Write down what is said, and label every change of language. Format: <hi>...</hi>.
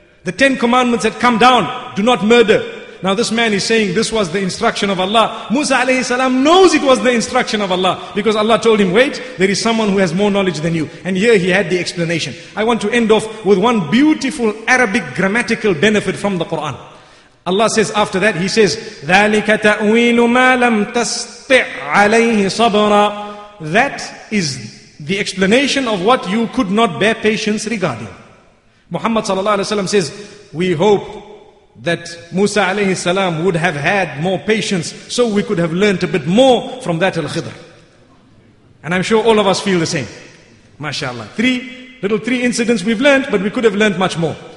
<en>The Ten Commandments had come down, do not murder. Now this man is saying this was the instruction of Allah. Musa alayhi salam knows it was the instruction of Allah, because Allah told him, wait, there is someone who has more knowledge than you. And here he had the explanation. I want to end off with one beautiful Arabic grammatical benefit from the Quran. Allah says after that, he says,</en> <ar>ذَلِكَ تَأْوِيلُ مَا لَمْ تَسْطِعْ عَلَيْهِ صَبْرًا.</ar> <en>That is the explanation of what you could not bear patience regarding. Muhammad sallallahu alayhi wasallam says, we hope that Musa alayhi salam would have had more patience, so we could have learned a bit more from that Al-Khidr. And I'm sure all of us feel the same. MashaAllah. Three incidents we've learned, but we could have learned much more.</en>